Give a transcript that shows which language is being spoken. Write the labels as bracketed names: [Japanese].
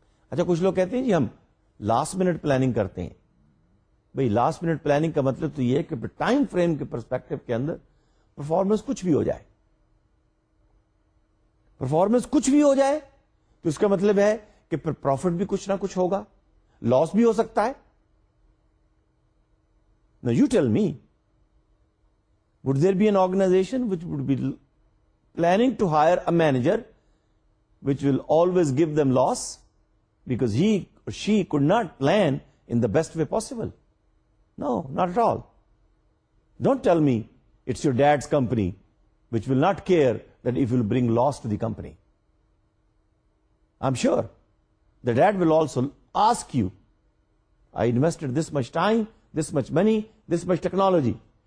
[Urdu] اچھا, کچھ لوگ کہتے ہیں جی ہم لاسٹ منٹ پلاننگ کرتے ہیں. بھائی لاسٹ منٹ پلاننگ کا مطلب تو یہ ہے کہ ٹائم فریم کے پرسپیکٹو کے اندر پرفارمنس کچھ بھی ہو جائے, پرفارمنس کچھ بھی ہو جائے تو اس کا مطلب ہے کہ پھر پروفٹ بھی کچھ نہ کچھ ہوگا, لاس بھی ہو سکتا ہے. [English] No you tell me, would there be an organization which would be planning to hire a manager which will always give them loss because he or she could not plan in the best way possible? No, not at all. Don't tell me it's your dad's company which will not care that if you'll bring loss to the company. I'm sure the dad will also ask you, I invested this much time, this much money, this much technology.